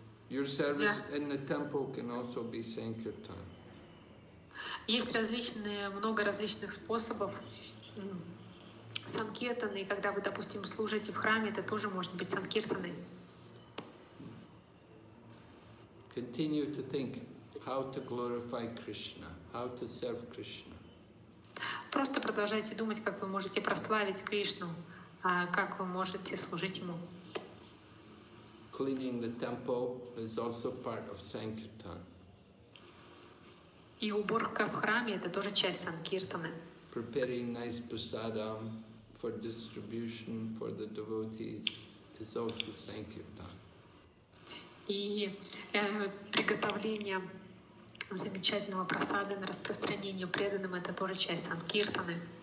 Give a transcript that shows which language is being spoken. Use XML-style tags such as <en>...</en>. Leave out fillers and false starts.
<en>Your service in the temple can also be sankirtan.</en> <ru>Есть много различных способов санкиртаны. Когда вы, допустим, служите в храме, это тоже может быть санкиртаной.</ru> <en>Continue to think how to glorify Krishna, how to serve Krishna.</en> <ru>Просто продолжайте думать, как вы можете прославить Кришну, как вы можете служить ему.</ru> <en>Cleaning the temple is also part of sankirtan.</en> <ru>И уборка в храме — это тоже часть санкиртаны.</ru> <en>Preparing nice prasadam for distribution for the devotees is also sankirtan.</en> <ru>И приготовление замечательного прасада на распространение преданным — это тоже часть санкиртаны.</ru>